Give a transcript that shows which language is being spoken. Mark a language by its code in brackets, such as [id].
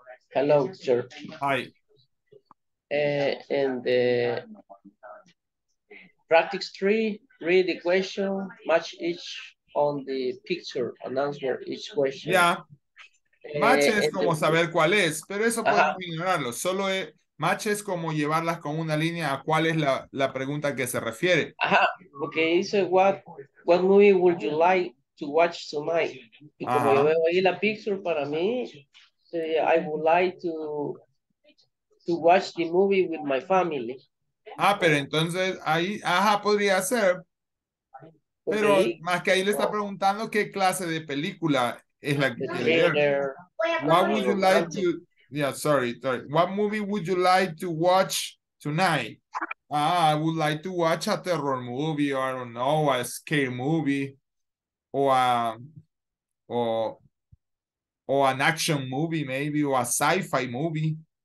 [en] Hello, sir. Hi. And the practice three, read the question, match each on the picture and answer each question. Yeah. [es] Match es como saber cuál es, pero eso podemos ignorarlo. Solo es, match es como llevarlas con una línea a cuál es la pregunta que se refiere. Ajá. [en] Okay, so what movie would you like to watch tonight? [es] Porque yo veo ahí la picture para mí. [en] I would like to watch the movie with my family. [es] Ah, pero entonces ahí, ajá, podría ser. Pero okay. Más que ahí le está preguntando qué clase de película es la que quiere ver. [en] What would you like to? Yeah, sorry. What movie would you like to watch tonight? Ah, I would like to watch a terror movie, or I don't know, a scary movie, or an action movie, maybe, or a sci-fi movie.